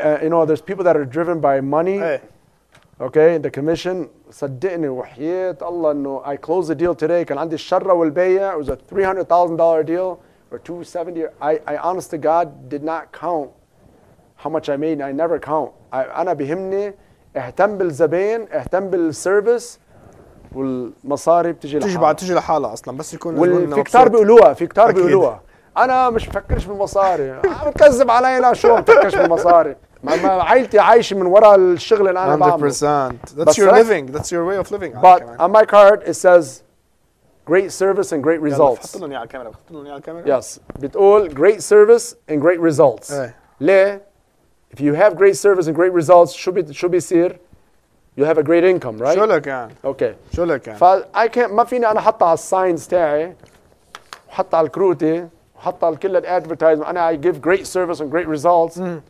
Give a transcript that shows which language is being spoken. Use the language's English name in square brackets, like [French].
[English] You know, there's people that are driven by money. Hey. Okay, the commission. [Arabic] صدقني وحياة الله إنه [English] I close the deal today. [Arabic] كان عندي الشرة والبيع. [English] It was a $300,000 deal or $270,000. I honest to God did not count. How much I made, I never count. [Arabic] أنا بهمني اهتم بالزبين, اهتم بالسيرفيس, والمصاري بتجي لحالها. تجي لحالها أصلاً بس يكون. وفي كتار بيقولوها, في كتار بيقولوها. أنا مش بفكرش بالمصاري, بتكذب علي لا شو بفكرش بالمصاري. ما عائلتي عايشة من وراء الشغل اللي أنا بعمله. 100%. [English] That's your living, that's your way of living. But on my card it says great service and great results. [Arabic] حط لهم إياها على الكاميرا, حط لهم إياها على الكاميرا. [English] Yes, بتقول great service and great results. ليه؟ If you have great service and great results, should be sir, you have a great income, right? [Arabic] شو لك كان؟ [English] Okay. [Arabic] شو لك كان؟ فأي كان ما فيني أنا حط على signs تاعي، حط على الكروتي، حط على كل الادفرتايزم. [English] أنا I give great service and great results.